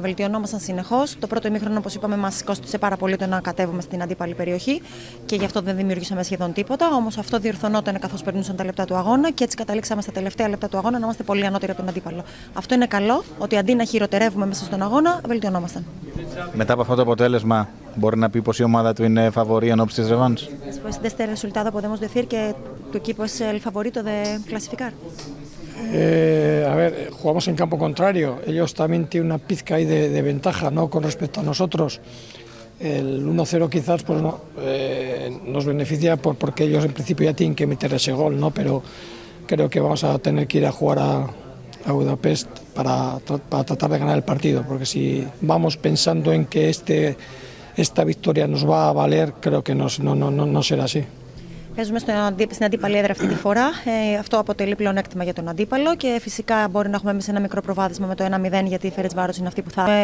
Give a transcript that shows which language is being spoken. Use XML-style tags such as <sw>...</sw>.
<el>Βελτιωνόμασταν συνεχώς. Το πρώτο ημίχρονο, όπως είπαμε, μας κόστησε πάρα πολύ το να κατέβουμε στην αντίπαλη περιοχή και γι' αυτό δεν δημιουργήσαμε σχεδόν τίποτα. Όμως αυτό διορθωνόταν καθώς περνούσαν τα λεπτά του αγώνα και έτσι καταλήξαμε στα τελευταία λεπτά του αγώνα να είμαστε πολύ ανώτεροι από τον αντίπαλο. Αυτό είναι καλό, ότι αντί να χειροτερεύουμε μέσα στον αγώνα, βελτιωνόμασταν. Μετά από αυτό το αποτέλεσμα, μπορεί να πει πως η ομάδα του είναι φαβορή εν ώψη της ρεβάνς.</el> <es>Después de este resultado podemos decir que tu equipo es el favorito de clasificar. A ver, jugamos en campo contrario. Ellos también tienen una pizca ahí de ventaja, ¿no? Con respecto a nosotros. El 1-0 quizás pues no, nos beneficia porque ellos en principio ya tienen que meter ese gol, ¿no? Pero creo que vamos a tener que ir a jugar a Budapest para tratar de ganar el partido. Porque si vamos pensando en que esta victoria nos va a valer, creo que no será así.</es> <el>Παίζουμε στην αντίπαλη έδρα αυτή τη φορά. Αυτό αποτελεί πλεονέκτημα για τον αντίπαλο και φυσικά μπορεί να έχουμε εμείς ένα μικρό προβάδισμα με το 1-0, γιατί η Φερεντσβάρος είναι αυτή που θα.</el>